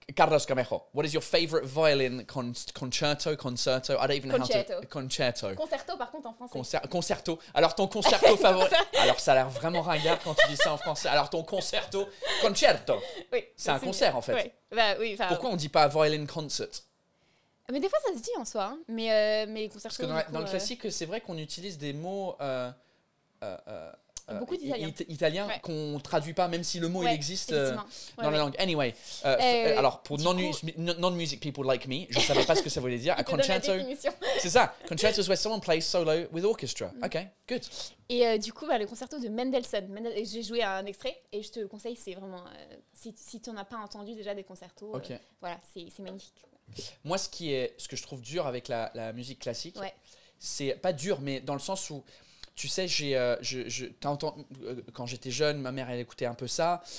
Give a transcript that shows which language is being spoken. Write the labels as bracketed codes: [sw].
[en] Carlos Camejo, what is your favorite violin concerto? I don't even concerto. Know how to... [fr] Concerto. Concerto, par contre, en français. Concerto. Alors, ton concerto favori... Alors, ça a l'air vraiment ringard quand tu dis ça en français. Alors, ton concerto... Concerto. Oui. C'est un concert, en fait. Oui. Bah, oui, pourquoi on dit pas [en] violin concert? [fr] Mais des fois, ça se dit en soi. Hein. Mais concerto, parce que dans, coup, dans le classique, c'est vrai qu'on utilise des mots... beaucoup d'italiens. Italiens ouais. Qu'on traduit pas, même si le mot ouais, il existe dans la langue. [en] Anyway, [fr] alors pour [en] non-music people like me, [fr] je savais pas ce que ça voulait dire. [en] A concerto. [fr] C'est ça. [en] Concerto is where someone plays solo with orchestra. Mm. Ok, good. [fr] Et du coup, bah, le concerto de Mendelssohn. J'ai joué un extrait et je te le conseille, c'est vraiment. Si tu n'en as pas entendu déjà des concertos, okay. Voilà, c'est magnifique. Moi, ce que je trouve dur avec la musique classique, ouais. C'est pas dur, mais dans le sens où. Tu sais, quand j'étais jeune, ma mère, elle écoutait un peu ça.